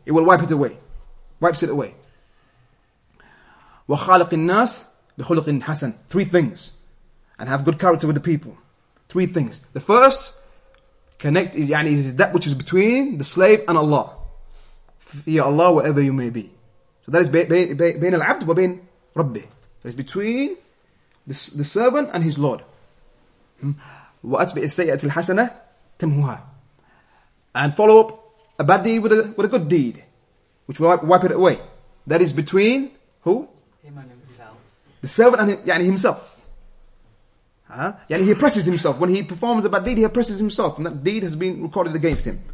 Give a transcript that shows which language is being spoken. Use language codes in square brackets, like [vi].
[en] It will wipe it away. Wipes it away. [ar] وَخَالِقِ النَّاسِ بِخُلُقٍ حَسَنٍ. [en] Three things. And have good character with the people. Three things. The first, connect يعني, is that which is between the slave and Allah. Fear Allah wherever you may be. So that is [ar] بين العبد وبين ربي. [en] That is between the servant and his Lord. [ar] وأتبع السيئة الحسنة تمهوها. [en] And follow up a bad deed with a good deed, which will wipe it away. That is between who? Him and himself. The servant and يعني himself. Huh? يعني he oppresses himself. When he performs a bad deed, he oppresses himself. And that deed has been recorded against him.